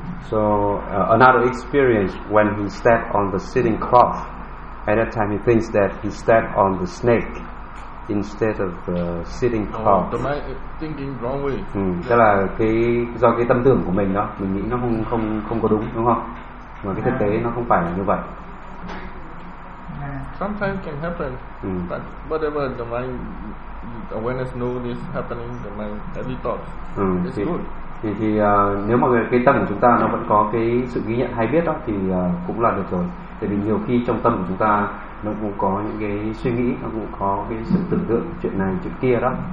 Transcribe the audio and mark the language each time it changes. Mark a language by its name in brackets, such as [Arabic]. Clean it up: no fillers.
[English] So another experience when he stepped on the sitting cloth, at that time he thinks that he stepped on the snake instead of the sitting cloth. The mind thinking wrong way. [Vietnamese] Tức là do cái tâm tưởng của mình đó, mình nghĩ nó không có đúng, đúng không? Mà cái thực tế nó không phải là như vậy. [English] Sometimes can happen, but whatever the mind awareness know this happening, the mind every thought, it's good. [Vietnamese] Thì nếu mà cái tâm của chúng ta nó vẫn có cái sự ghi nhận hay biết đó thì cũng là được rồi. Tại vì nhiều khi trong tâm của chúng ta nó cũng có những cái suy nghĩ, nó cũng có cái sự tưởng tượng chuyện này chuyện kia đó.